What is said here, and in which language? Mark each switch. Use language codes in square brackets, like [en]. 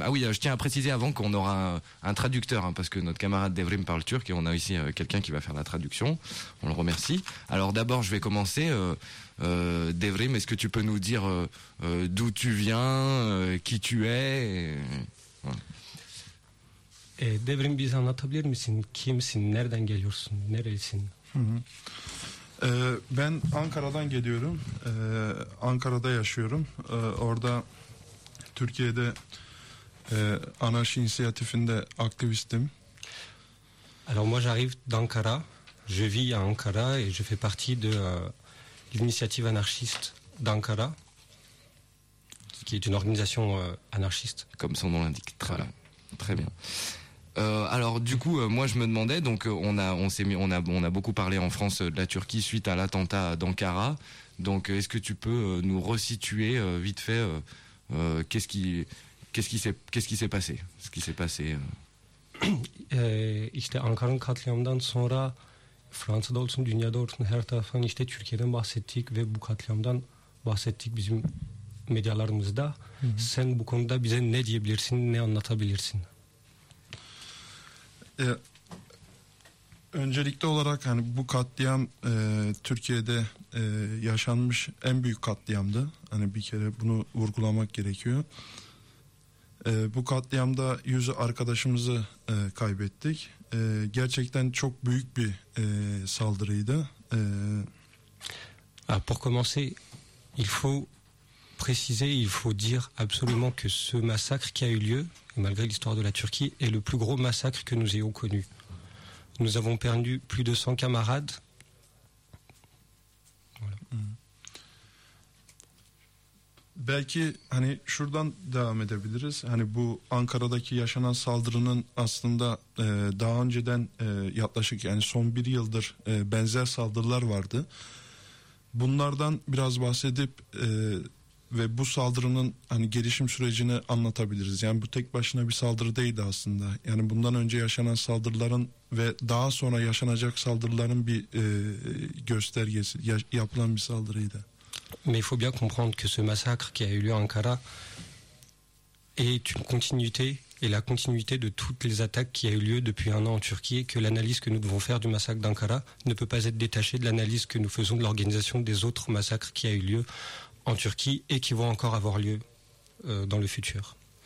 [fr] Ah oui, je tiens à préciser avant qu'on aura un traducteur, hein, parce que notre camarade Devrim parle turc et on a ici quelqu'un qui va faire la traduction. On le remercie. Alors d'abord, je vais commencer... Devrim, est-ce que tu peux nous dire d'où tu viens, qui tu es? [tr] Devrim, bize anlatabilir misin? Kimsin? Nereden geliyorsun? Nerelisin? Ben Ankara'dan geliyorum. Ankara'da yaşıyorum. Orada Türkiye'de anarşi inisiyatifinde aktivistim. [fr] Alors moi j'arrive d'Ankara. Je vis à Ankara et je fais partie de l'initiative anarchiste d'Ankara, qui est une organisation anarchiste. Comme son nom l'indique. Voilà. Très bien. Alors, du coup, moi, je me demandais. Donc, on a beaucoup parlé en France de la Turquie suite à l'attentat d'Ankara. Donc, est-ce que tu peux nous resituer vite fait qu'est-ce qui s'est passé [tr] işte Ankara'nın katliamından sonra. Fransa'da olsun, dünyada olsun, her taraftan işte Türkiye'den bahsettik ve bu katliamdan bahsettik bizim medyalarımızda. Hı hı. Sen bu konuda bize ne diyebilirsin, ne anlatabilirsin? Öncelikli olarak hani bu katliam Türkiye'de yaşanmış en büyük katliamdı. Hani bir kere bunu vurgulamak gerekiyor. Bu katliamda 100 arkadaşımızı kaybettik. Gerçekten çok büyük bir saldırıydı. [fr] Pour commencer, il faut préciser, il faut dire absolument que ce massacre qui a eu lieu, malgré l'histoire de la Turquie, est le plus gros massacre que nous ayons connu. Nous avons perdu plus de 100 camarades. Voilà. [tr] Belki hani şuradan devam edebiliriz. Hani bu Ankara'daki yaşanan saldırının aslında daha önceden yaklaşık yani son bir yıldır benzer saldırılar vardı. Bunlardan biraz bahsedip ve bu saldırının hani gelişim sürecini anlatabiliriz. Yani bu tek başına bir saldırı değildi aslında. Yani bundan önce yaşanan saldırıların ve daha sonra yaşanacak saldırıların bir göstergesi, yapılan bir saldırıydı. [fr] Mais il faut bien comprendre que ce massacre qui a eu lieu à Ankara est une continuité et la continuité de toutes les attaques qui a eu lieu depuis un an en Turquie et que l'analyse que nous devons faire du massacre d'Ankara ne peut pas être détachée de l'analyse que nous faisons de l'organisation des autres massacres qui a eu lieu en Turquie et qui vont encore avoir lieu dans le futur.